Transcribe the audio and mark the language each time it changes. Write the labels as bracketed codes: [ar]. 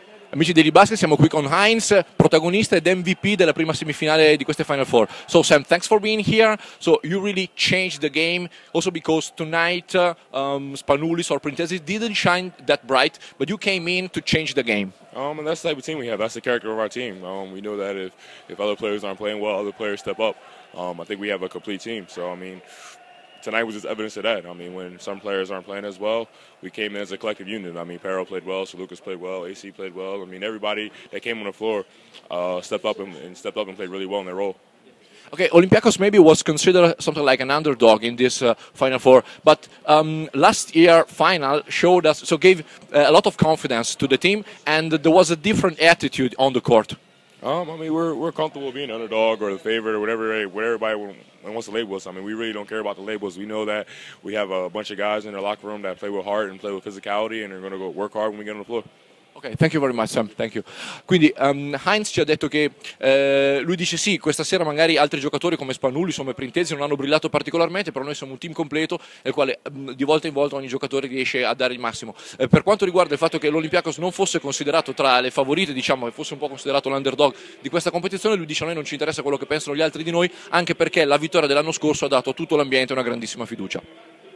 [it] Amici di Libasket, siamo qui con Heinz, protagonista ed MVP della prima semifinale di queste Final Four. [en] So Sam, thanks for being here. So you really changed the game, also because tonight Spanoulis or Printezis didn't shine that bright, but you came in to change the game. And that's the type of team we have. That's the character of our team. We know that if other players aren't playing well, other players step up. I think we have a complete team. So I mean, tonight was just evidence of that. I mean, when some players aren't playing as well, we came in as a collective unit. I mean, Perro played well, Salukas played well, AC played well. I mean, everybody that came on the floor stepped up and played really well in their role. Okay, Olympiakos maybe was considered something like an underdog in this Final Four, but last year final showed us, so gave a lot of confidence to the team, and there was a different attitude on the court. We're comfortable being underdog or the favorite or whatever everybody wants to label us. I mean, we really don't care about the labels. We know that we have a bunch of guys in the locker room that play with heart and play with physicality and are going to go work hard when we get on the floor. Ok, thank you very much Sam, thank you. [it] Quindi Heinz ci ha detto che lui dice sì, questa sera magari altri giocatori come Spanulli, insomma Printezis non hanno brillato particolarmente, però noi siamo un team completo nel quale di volta in volta ogni giocatore riesce a dare il massimo. Per quanto riguarda il fatto che l'Olympiakos non fosse considerato tra le favorite, diciamo che fosse un po' considerato l'underdog di questa competizione, lui dice a noi non ci interessa quello che pensano gli altri di noi, anche perché la vittoria dell'anno scorso ha dato a tutto l'ambiente una grandissima fiducia.